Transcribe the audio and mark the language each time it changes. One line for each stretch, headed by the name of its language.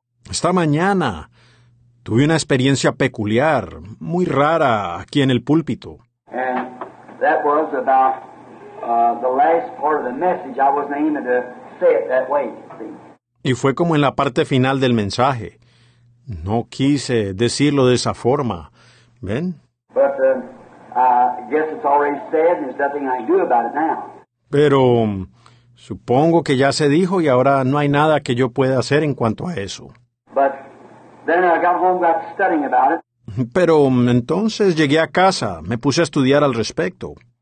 Spanish: Esta mañana tuve una experiencia peculiar, muy rara, aquí en el púlpito.
English: That was about the last part of the message. I wasn't aiming to say it that way.
Spanish: Y fue como en la parte final del mensaje. No quise decirlo de esa forma. ¿Ven?
English: But I guess it's already said, and there's nothing I can do about it now.
Spanish: Pero supongo que ya se dijo, y ahora no hay nada que yo pueda hacer en cuanto a eso.
English: But then I got home, got studying about it.
Spanish: Pero entonces llegué a casa, me puse a estudiar al respecto.